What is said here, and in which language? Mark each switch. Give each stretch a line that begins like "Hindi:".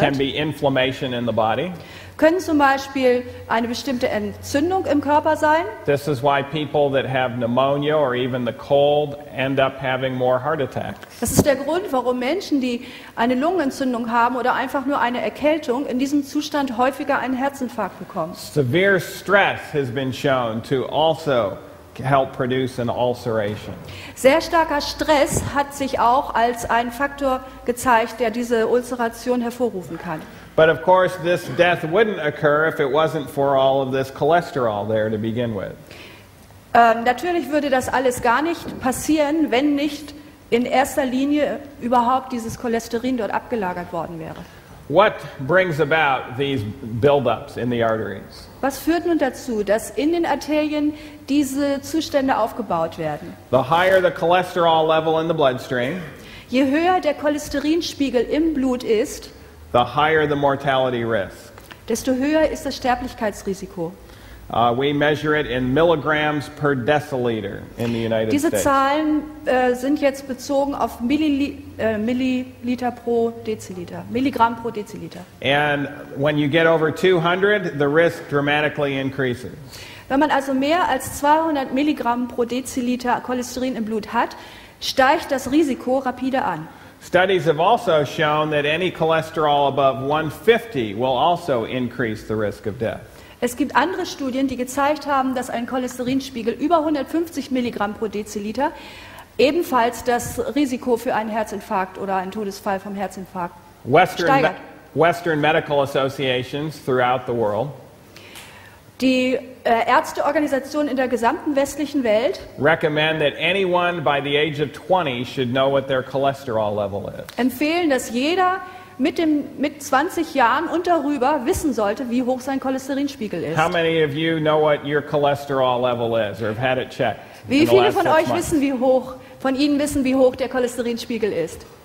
English: can be inflammation in the body.
German: Können zum Beispiel eine bestimmte Entzündung im Körper sein.
English: This is why people that have pneumonia or even the cold end up having more heart attacks.
German: Das ist der Grund, warum Menschen, die eine Lungenentzündung haben oder einfach nur eine Erkältung, in diesem Zustand häufiger einen Herzinfarkt bekommen.
English: Severe stress has been shown to also help produce an ulceration.
German: Sehr starker Stress hat sich auch als ein Faktor gezeigt, der diese Ulceration hervorrufen kann.
English: But of course, this death wouldn't occur if it wasn't for all of this cholesterol there to begin with.
German: Natürlich würde das alles gar nicht passieren, wenn nicht in erster Linie überhaupt dieses Cholesterin dort abgelagert worden wäre.
English: What brings about these buildups in the arteries?
German: Was führt nun dazu, dass in den Arterien diese Zustände aufgebaut werden?
English: The higher the cholesterol level in the bloodstream,
German: je höher der Cholesterinspiegel im Blut ist,
English: the higher the mortality risk.
German: Desto höher ist das Sterblichkeitsrisiko.
English: We measure it in milligrams per deciliter in the United
German: Diese
English: States.
German: Zahlen sind jetzt bezogen auf Milliliter pro Deziliter, Milligramm pro Deziliter.
English: And when you get over 200, the risk dramatically increases.
German: Wenn man also mehr als 200 Milligramm pro Deziliter Cholesterin im Blut hat, steigt das Risiko rapide an.
English: Studies have also shown that any cholesterol above 150 will also increase the risk of death.
German: Es gibt andere Studien, die gezeigt haben, dass ein Cholesterinspiegel über 150 Milligramm pro Deziliter ebenfalls das Risiko für einen Herzinfarkt oder einen Todesfall vom Herzinfarkt steigert.
English: Western medical associations throughout the world.
German: Die Ärzteorganisationen in der gesamten westlichen Welt
English: recommend that anyone by the age of 20 should know what their cholesterol level is.
German: Empfehlen, dass jeder mit 20 Jahren und darüber wissen sollte, wie hoch sein Cholesterinspiegel ist.
English: How many of you know what your cholesterol level is or have had it checked?
German: Wie viele von euch wissen, wie hoch der Cholesterinspiegel ist?